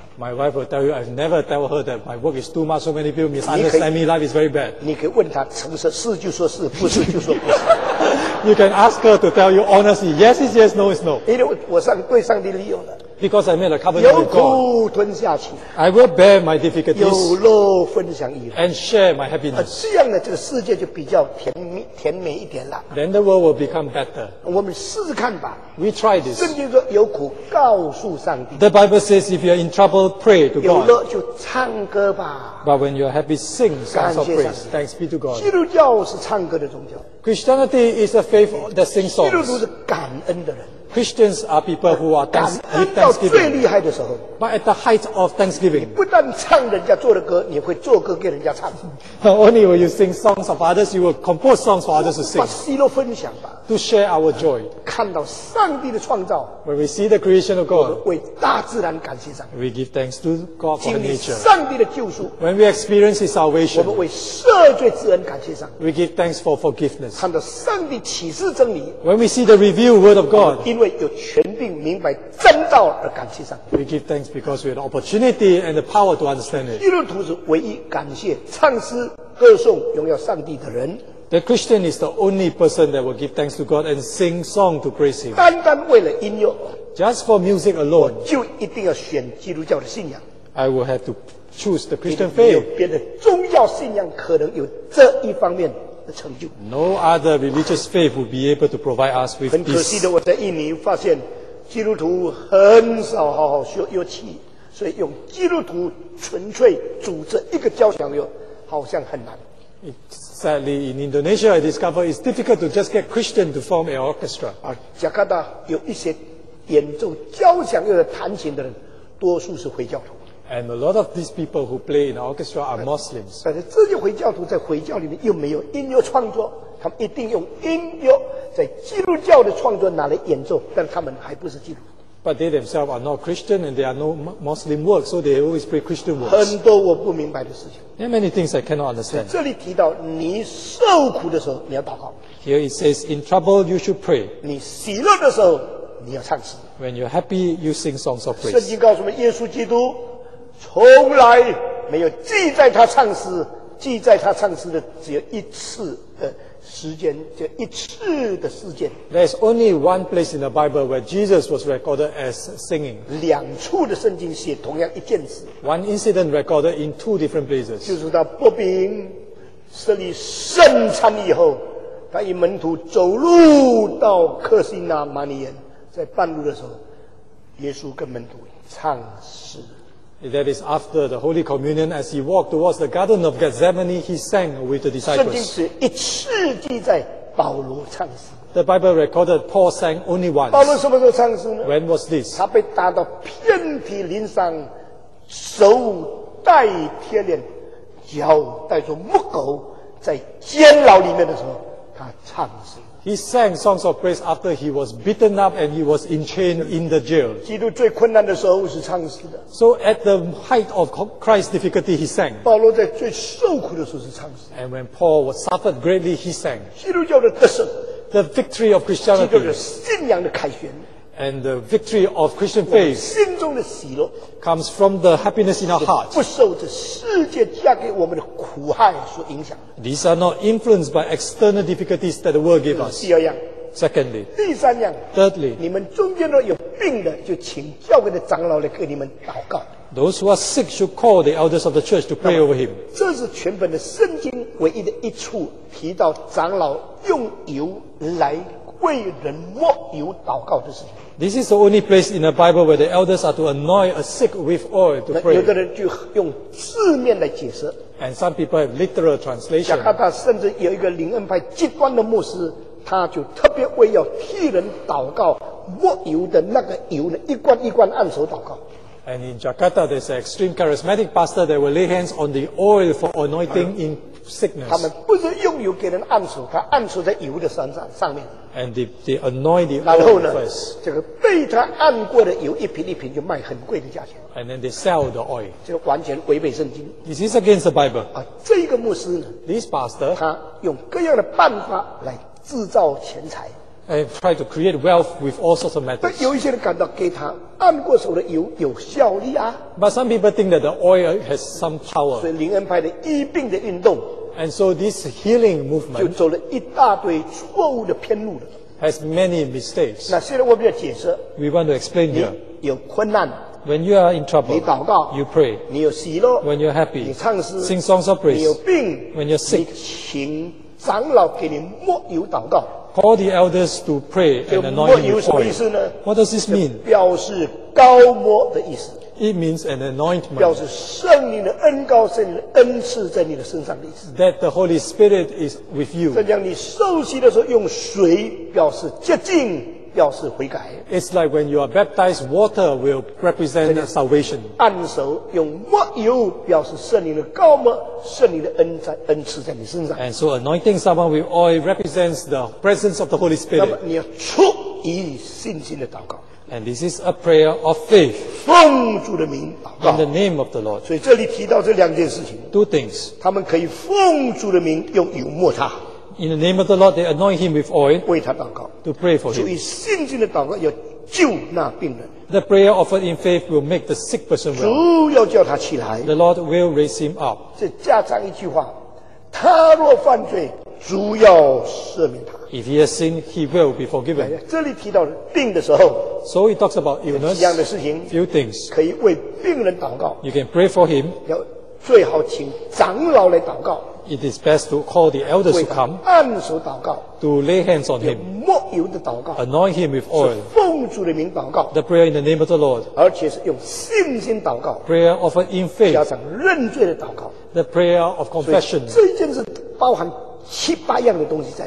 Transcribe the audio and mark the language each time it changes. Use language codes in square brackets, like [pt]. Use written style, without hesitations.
[en] My wife will tell you, I've never tell her that my work is too much, so many people misunderstand me, life is very bad. [zh] 你可以问他诚实是就说是不是就说不是 [en] You can ask her to tell you honestly, yes is yes, no is no. [zh] 因为我上对上帝立约了。 [en] Because I made a covenant with God. [zh] 有苦吞下去。 [en] I will bear my difficulties. [zh] 有肉分享一份。 [en] And share my happiness. [zh] 这样呢，这个世界就比较甜美一点了。 [en] Then the world will become better. [zh] 我们试试看吧。 [en] We try this. [zh] 圣经说有苦告诉上帝。 [en] The Bible says if you are in trouble, pray to God. [zh] 有乐就唱歌吧。 [en] But when you are happy, sing songs of praise. Thanks be to God. [zh] 基督教是唱歌的宗教。 [en] Christianity is a faith that sings songs. [zh] 基督徒是感恩的人。 [en] Christians are people who are thanksgiving. But at the height of thanksgiving, [zh] 你不但唱人家做的歌，你会做歌给人家唱。 [en] Not only will you sing songs of others, you will compose songs for others to sing. [zh] 把喜乐分享吧。 [en] To share our joy. [zh] 看到上帝的创造。 [en] When we see the creation of God, [zh] 为大自然感谢上帝。 [en] We give thanks to God for nature. [zh] 上帝的救赎。 [en] When we experience His salvation, [zh] 我们为赦罪之恩感谢上帝。 [en] We give thanks for forgiveness. [zh] 看到上帝启示真理。 [en] When we see the revealed word of God, [zh] 因为有权柄明白真道而感谢上帝。 [en] We give thanks because we have the opportunity and the power to understand it. [zh] 基督徒是唯一感谢、唱诗、歌颂、荣耀上帝的人。 [en] The Christian is the only person that will give thanks to God and sing song to praise Him. [zh] 单单为了音乐 [en] ，just for music alone， [zh] 我就一定要选基督教的信仰。 [en] I will have to choose the Christian faith. [zh] 没有别的宗教信仰可能有这一方面。 [en] No other religious faith will be able to provide us with this. [zh] 很可惜的，我在印尼发现基督徒很少好好学乐器，所以用基督徒纯粹组织一个交响乐好像很难。 [en] Sadly, in Indonesia, I discover it's difficult to just get Christian to form an orchestra. [zh] 而加拿大有一些演奏交响乐的弹琴的人，多数是回教徒。 [en] And a lot of these people who play in the orchestra are Muslims. [zh] 但是这些回教徒在回教里面又没有音乐创作，他们一定用音乐在基督教的创作拿来演奏，但他们还不是基督徒。 [en] But they themselves are not Christian and they are no Muslim work, so they always play Christian works. [zh] 很多我不明白的事情。 [en] There are many things I cannot understand. [zh] 这里提到你受苦的时候你要祷告。 [en] Here it says, in trouble you should pray. [zh] 你喜乐的时候你要唱诗。 [en] When you're happy, you sing songs of praise. [zh] 圣经告诉我们，耶稣基督从来没有记在他唱诗，记在他唱诗的只有一次的时间，就一次的事件。 [en] There's only one place in the Bible where Jesus was recorded as singing. [zh] 两处的圣经写同样一件事。 [en] One incident recorded in two different places. [zh] 就是他擘饼设立圣餐以后，他与门徒走路到客西那马尼园，在半路的时候，耶稣跟门徒唱诗。 [en] That is after the Holy Communion, as he walked towards the Garden of Gethsemane, he sang with the disciples. [zh] 圣经只一次记载保罗唱诗。 [en] The Bible recorded Paul sang only once. [zh] 保罗什么时候唱诗呢？ [en] When was this? [zh] 他被打到遍体鳞伤，手戴铁链，脚戴着木狗，在监牢里面的时候，他唱诗。 [en] He sang songs of praise after he was beaten up and he was in chain in the jail. [zh] 基督最困难的时候是唱诗的。 [en] So at the height of Christ's difficulty, he sang. [zh] 保罗在最受苦的时候是唱诗。 [en] And when Paul was suffered greatly, he sang. [zh] 基督教的得胜。 [en] The victory of Christianity. [zh] 基督的信仰的凯旋。 [en] And the victory of Christian faith [zh] 我们心中的喜乐 [en] comes from the happiness in our hearts. [zh] 不受这世界加给我们的苦害所影响。 [en] These are not influenced by external difficulties that the world gave us. [zh] 第二样。 [en] Secondly. [zh] 第三样。 [en] Thirdly. [zh] 你们中间若有病的，就请教会的长老来给你们祷告。 [en] Those who are sick should call the elders of the church to pray over him. [zh] 这是全本的圣经唯一的一处提到长老用油来为人抹油祷告的事情。 [en] This is the only place in the Bible where the elders are to anoint a sick with oil to pray. [zh] 有的人就用字面来解释。 [en] And some people have literal translation. [zh] 加拿大甚至有一个灵恩派极端的牧师，他就特别为要替人祷告，抹油的那个油呢，一罐一罐按手祷告。 [en] And in Jakarta, there's an extreme charismatic pastor that will lay hands on the oil for anointing in sickness. [zh] 他们不是用油给人按手，他按手在油的上面。 [en] And they anoint the oil first. [zh] 然后呢，这个被他按过的油一瓶一瓶就卖很贵的价钱。 [en] And then they sell the oil. [zh] 这个完全违背圣经。 [en] This is against the Bible. [zh] 啊，这个牧师呢 [en] ，This pastor, [zh] 他用各样的办法来制造钱财。 [en] And try to create wealth with all sorts of methods. [zh] 但有一些人感到给他按过手的油有效力啊。 [en] But some people think that the oil has some power. [zh] 所以灵恩派的医病的运动。 [en] And so this healing movement [zh] 就走了一大堆错误的偏路了。 [en] Has many mistakes. [zh] 那现在我们要解释。 [en] We want to explain here. [zh] 你有困难。 [en] When you are in trouble, [zh] 你祷告, [en] you pray. [zh] 你有喜乐, [en] when you're happy, [zh] 你唱诗, [en] sing songs of praise. [zh] 你有病, [en] when you're sick, [zh] 你请长老给你抹油祷告。 [en] Call the elders to pray and anoint you for it. [zh] 抹油什么意思呢? [en] What does this mean? [zh] 表示膏抹的意思。 [en] It means an anointment. [zh] 表示圣灵的恩膏、圣灵的恩赐在你的身上的意思。 [en] That the Holy Spirit is with you. [zh] 这样你受洗的时候用水表示洁净。表示悔改。 [en] It's like when you are baptized, water will represent salvation. [zh] 按手用抹油表示圣灵的膏抹，圣灵的恩在恩赐在你身上。 [en] And so anointing someone with oil represents the presence of the Holy Spirit. [zh] 那么你要出以信心的祷告。 [en] And this is a prayer of faith. [zh] 奉主的名祷告。 [en] In the name of the Lord. [zh] 所以这里提到这两件事情。 [en] Two things. [zh] 他们可以奉主的名用油抹他。 [en] In the name of the Lord, they anoint him with oil. [zh] 为他祷告。 [en] To pray for him. [zh] 就以信心的祷告要救那病人。 [en] The prayer offered in faith will make the sick person well. [zh] 主要叫他起来。 [en] The Lord will raise him up. [zh] 再加上一句话，他若犯罪，主要赦免他。 [en] If he has sinned, he will be forgiven. [zh] 这里提到病的时候。 [en] So he talks about illness. [zh] 一样的事情。 [en] Few things. [zh] 可以为病人祷告。 [en] You can pray for him. [zh] 要最好请长老来祷告。 [en] It is best to call the elders to come, [zh] 为他按手祷告, [en] to lay hands on him, [zh] 抹油的祷告, [en] anoint him with oil, [zh] 是奉主的名祷告, [en] the prayer in the name of the Lord, [zh] 而且是用信心祷告, [en] prayer offered in faith, [zh] 加上认罪的祷告, [en] the prayer of confession. [zh] 所以这件事包含七八样的东西在。